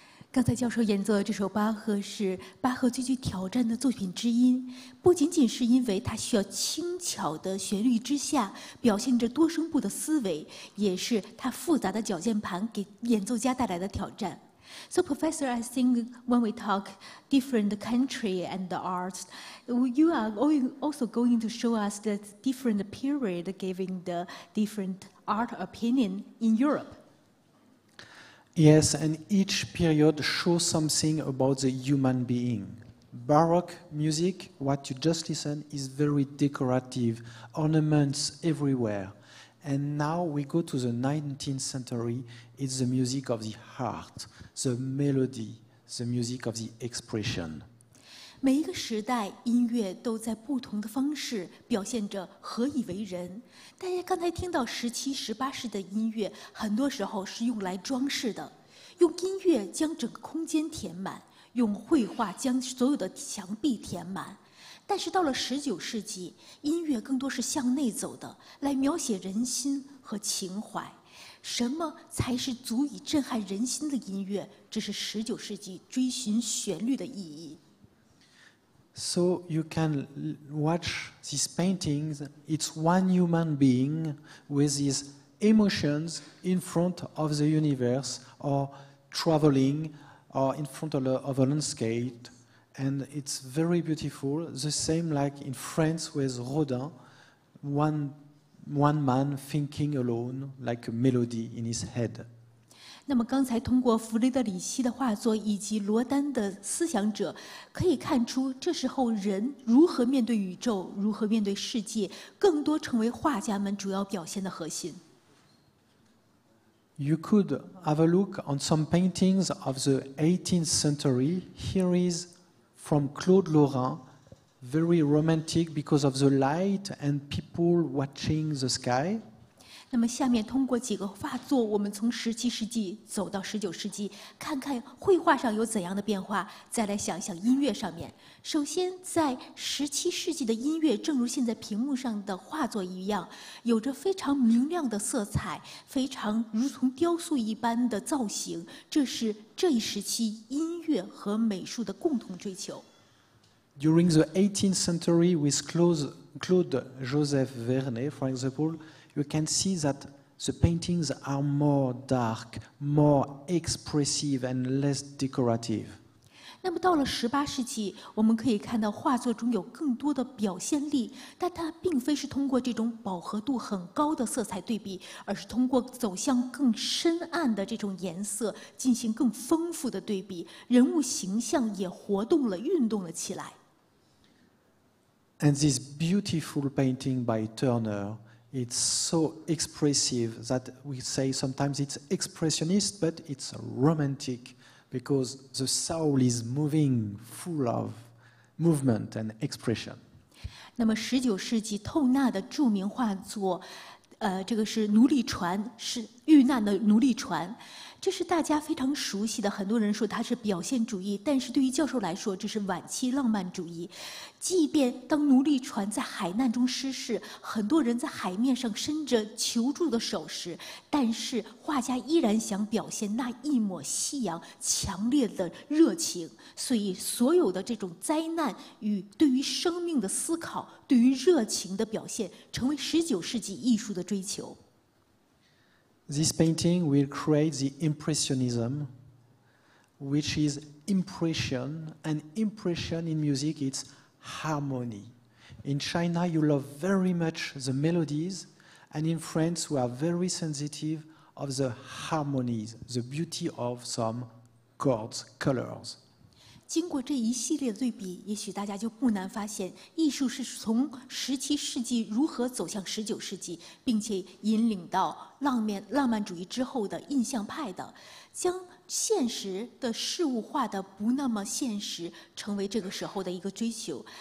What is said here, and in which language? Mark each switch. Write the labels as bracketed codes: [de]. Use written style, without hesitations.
[zh] 刚才教授演奏的这首巴赫是巴赫最具挑战的作品之一，不仅仅是因为它需要轻巧的旋律之下表现着多声部的思维，也是它复杂的脚键盘给演奏家带来的挑战。 [en] So Professor, I think when we talk different country and the arts, you are also going to show us the different period giving the different art opinion in Europe. Yes, and each period shows something about the human being. Baroque music, what you just listened, is very decorative, ornaments everywhere. And now we go to the 19th century, it's the music of the heart. The melody, the music of the expression. [zh] 每一个时代，音乐都在不同的方式表现着何以为人。大家刚才听到十七、十八世的音乐，很多时候是用来装饰的，用音乐将整个空间填满，用绘画将所有的墙壁填满。但是到了十九世纪，音乐更多是向内走的，来描写人心和情怀。什么才是足以震撼人心的音乐？这是十九世纪追寻旋律的意义。 [en] So you can watch these paintings. It's one human being with his emotions in front of the universe, or traveling, or in front of a landscape, and it's very beautiful. The same like in France with Rodin, one man thinking alone, like a melody in his head. [zh] 那么刚才通过弗雷德里希的画作以及罗丹的思想者，可以看出这时候人如何面对宇宙，如何面对世界，更多成为画家们主要表现的核心。 [en] You could have a look on some paintings of the 18th century. Here is from Claude Lorrain. Very romantic because of the light and people watching the sky. [zh] 那么下面通过几个画作，我们从十七世纪走到十九世纪，看看绘画上有怎样的变化，再来想想音乐上面。首先，在十七世纪的音乐，正如现在屏幕上的画作一样，有着非常明亮的色彩，非常如同雕塑一般的造型。这是这一时期音乐和美术的共同追求。 [en] During the 18th century with Claude Joseph Vernet, for example, you can see that the paintings are more dark, more expressive and less decorative. [zh] 那么到了十八世纪，我们可以看到画作中有更多的表现力，但它并非是通过这种饱和度很高的色彩对比，而是通过走向更深暗的这种颜色进行更丰富的对比，人物形象也活动了，运动了起来。 [en] And this beautiful painting by Turner, it's so expressive that we say sometimes it's expressionist, but it's romantic because the soul is moving, full of movement and expression. [zh] 那么十九世纪透纳的著名画作，这个是奴隶船，是遇难的奴隶船。这是大家非常熟悉的，很多人说它是表现主义，但是对于教授来说，这是晚期浪漫主义。即便当奴隶船在海难中失事，很多人在海面上伸着求助的手时，但是画家依然想表现那一抹夕阳强烈的热情。所以，所有的这种灾难与对于生命的思考，对于热情的表现，成为十九世纪艺术的追求。 [en] This painting will create the impressionism, which is impression, and impression in music is harmony. In China, you love very much the melodies, and in France, we are very sensitive of the harmonies, the beauty of some chords, colors. [zh] 经过这一系列的对比，也许大家就不难发现，艺术是从十七世纪如何走向十九世纪，并且引领到浪漫主义之后的印象派的，将现实的事物化的不那么现实，成为这个时候的一个追求。